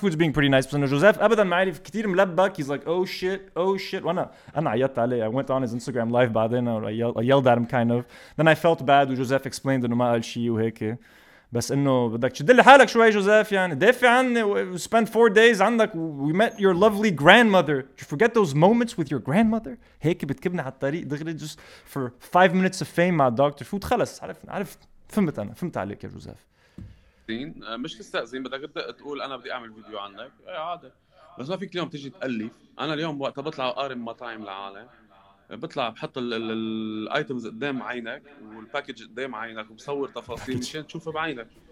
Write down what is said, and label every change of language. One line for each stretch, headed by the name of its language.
English: Food's being pretty nice.
Arabic: بس جوزيف ابدا ما عرف كثير ملبك.
English: He's like oh shit, oh shit.
Arabic: وانا عيطت عليه.
English: I went on his Instagram live
Arabic: بعدين
English: I yelled at him kind of. Then I felt bad وجوزيف explained
Arabic: انه ما قال شيء وهيك. بس انه بدك تشدل حالك شوي جوزيف يعني دافع عني و
English: spend 4 days
Arabic: عندك.
English: We met your lovely grandmother. Did you forget those moments with your grandmother?
Arabic: هيك بتكبني على الطريق دغري
English: just for 5 minutes of fame
Arabic: مع دكتور فود. خلص عارف فهمت انا فهمت عليك يا جوزيف. مش تستأذن بدك تقول انا بدي اعمل فيديو عنك اي عادي. بس ما فيك اليوم تجي تألف. انا اليوم وقتها بطلع اقارن مطاعم العالم بطلع بحط الايتمز قدام عينك والباكج قدام عينك وبصور تفاصيل مشان تشوفها بعينك.